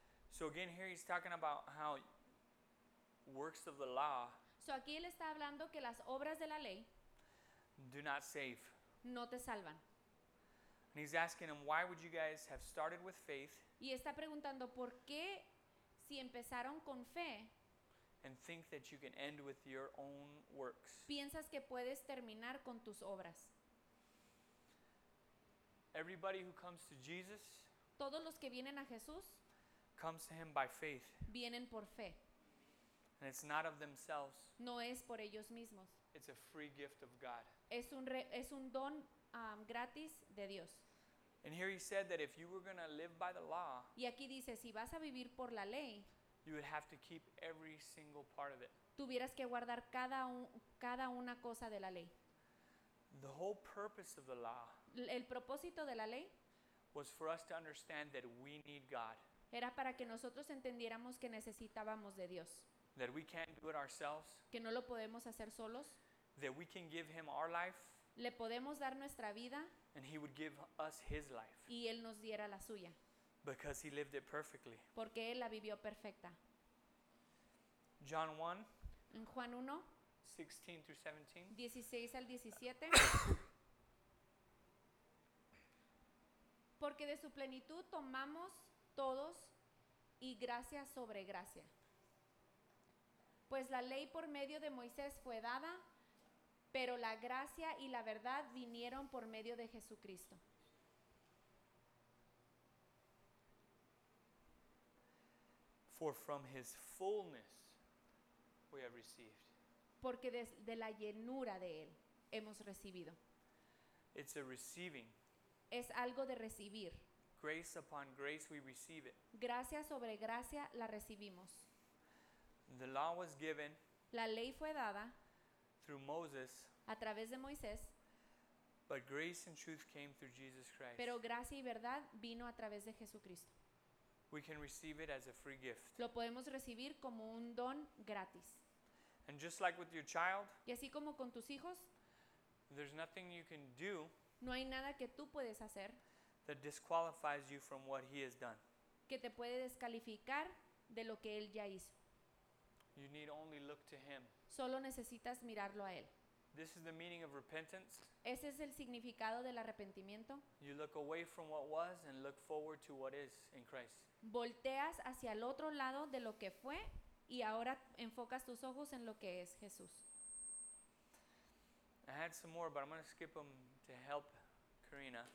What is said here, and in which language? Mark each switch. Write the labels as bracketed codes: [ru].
[en] So again, here he's talking about how works of the law. [es] So aquí él está hablando que las obras de la ley [en] do not save. [es] No te salvan. [en] And he's asking them, why would you guys have started with faith? [es] Y está preguntando por qué si empezaron con fe. [en] And think that you can end with your own works. [es] Piensas que puedes terminar con tus obras. [en] Everybody who comes to Jesus. [es] Todos los que vienen a Jesús. [en] Comes to him by faith. [es] Vienen por fe. [en] And it's not of themselves. [es] No es por ellos mismos. [en] It's a free gift of God. [es] Es un don gratis de Dios. [en] And here he said that if you were going to live by the law. [es] Y aquí dice, si vas a vivir por la ley. [en] You would have to keep every single part of it. [es] Tuvieras que guardar cada una cosa de la ley. [en] The whole purpose of the law. [es] El propósito de la ley. [en] Was for us to understand that we need God. [es] Era para que nosotros entendiéramos que necesitábamos de Dios. [en] That we can't do it ourselves. [es] Que no lo podemos hacer solos. [en] That we can give him our life. [es] Le podemos dar nuestra vida. [en] And he would give us his life. [es] Y él nos diera la suya. [en] Because he lived it perfectly. [es] Porque él la vivió perfecta. [en] John 1. [es] En Juan 1. [en] 16 through 17. [es] 16 al 17. Porque de su plenitud tomamos todos y gracia sobre gracia. Pues la ley por medio de Moisés fue dada, pero la gracia y la verdad vinieron por medio de Jesucristo. [en] For from his fullness we have received. [es] Porque de la llenura de él hemos recibido. [en] It's a receiving. [es] Es algo de recibir. [en] Grace upon grace we receive it. [es] Gracia sobre gracia la recibimos. [en] The law was given. [es] La ley fue dada. [en] Through Moses. [es] A través de Moisés. [en] But grace and truth came through Jesus Christ. [es] Pero gracia y verdad vino a través de Jesucristo. [en] We can receive it as a free gift. [es] Lo podemos recibir como un don gratis. [en] And just like with your child. [es] Y así como con tus hijos. [en] There's nothing you can do. [es] No hay nada que tú puedes hacer. [en] That disqualifies you from what he has done. [es] Que te puede descalificar de lo que él ya hizo. [en] You need only look to him. [es] Solo necesitas mirarlo a él. [en] This is the meaning of repentance. [es] Ese es el significado del arrepentimiento. [en] You look away from what was and look forward to what is in Christ. [es] Volteas hacia el otro lado de lo que fue y ahora enfocas tus ojos en lo que es Jesús. [en] I had some more, but I'm going to skip them to help Karina.